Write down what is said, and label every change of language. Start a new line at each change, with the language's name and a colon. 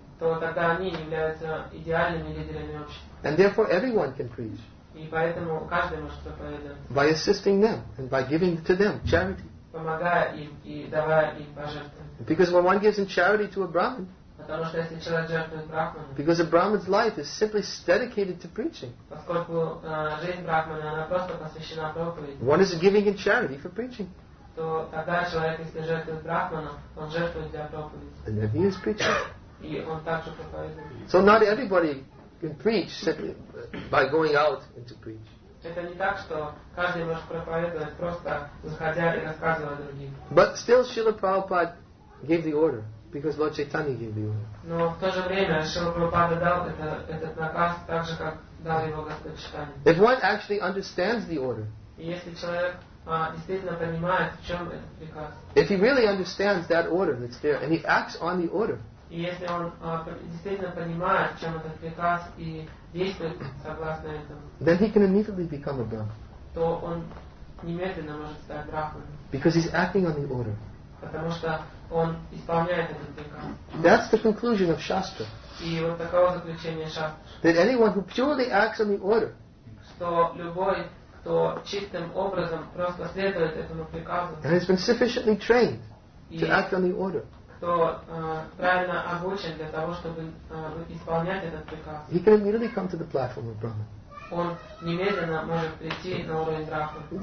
Russian: То тогда они являются идеальными лидерами общества.
English: And therefore everyone can preach.
Russian: И поэтому каждый может проповедовать.
English: By assisting them and by giving to them charity.
Russian: Помогая им и давая им пожертвования.
English: Because when one gives in charity to a Brahmin,
Russian: потому что если человек жертвует брахманом,
English: because a Brahmin's life is simply dedicated to preaching.
Russian: Поскольку жизнь брахмана, она просто посвящена проповеди.
English: One is giving in charity for preaching.
Russian: То тогда человек, если жертвует брахманом, он жертвует для проповеди.
English: And then he is preaching.
Russian: И он также проповедует.
English: So not everybody can preach simply by going out and to preach.
Russian: Это не так, что каждый может проповедовать просто заходя и рассказывая другим.
English: But still, Srila Prabhupada gave the order. Because Lord Chaitanya gave the order.
Russian: Но в то же время Шрила Прабхупада дал этот наказ так же, как дал его Господь Чайтанья.
English: If one actually understands the order,
Russian: если человек действительно понимает, в чем этот приказ,
English: if he really understands that order that's there and he acts on the order,
Russian: И если он действительно понимает, чем этот приказ и действует согласно этому,
English: then he can immediately become a brahmin.
Russian: То он немедленно может стать брахманом.
English: Because he's acting on the order.
Russian: Потому что он исполняет этот приказ.
English: That's the conclusion of Shastra.
Russian: И вот таково заключение Шастры.
English: That anyone who purely acts on the order.
Russian: Что любой, кто чистым образом просто следует этому приказу.
English: And has been sufficiently trained to act on the order.
Russian: Кто правильно обучен для того, чтобы исполнять этот приказ.
English: He can immediately come to the platform of Brahman.
Russian: Он немедленно может прийти на уровень Брахмана.